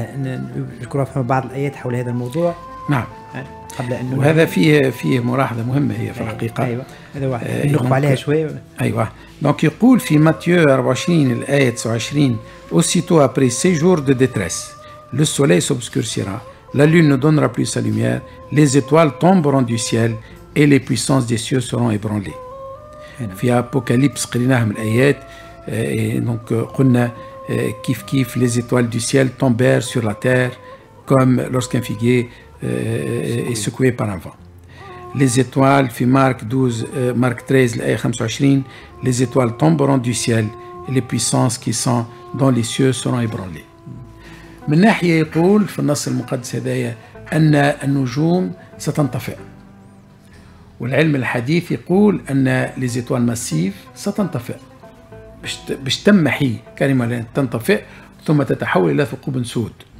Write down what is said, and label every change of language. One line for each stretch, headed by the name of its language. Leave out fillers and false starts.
Arabic: نذكر فيما بعض الآيات حول هذا الموضوع. نعم. قبل أن وهذا فيه ملاحظة مهمة هي في الحقيقة. أيوة. هذا واحد. نقف عليها شوية. أيوة. دونك يقول في ماتيو 24 الآية 29
French: aussitôt après ces jours de détresse le soleil s'obscurcira la lune ne donnera plus sa lumière les étoiles tomberont du ciel et les puissances des cieux seront ébranlées.
Arabic: في أبوكاليبس قريناها من الآيات دونك قلنا كيف
French: les étoiles du ciel tombèrent sur la terre comme lorsqu'un figuier est secoué par un vent. Les étoiles
Arabic: في مارك 12 مارك 13 الآية 25
French: les étoiles tomberont du ciel et les puissances qui sont dans les cieux seront ébranlées.
Arabic: من ناحية يقول في النص المقدس هذايا أن النجوم ستنطفئ، والعلم الحديث يقول أن
French: les étoiles massives
Arabic: ستنطفئ، باش تمحي كلمة تنطفئ ثم تتحول إلى ثقوب سود.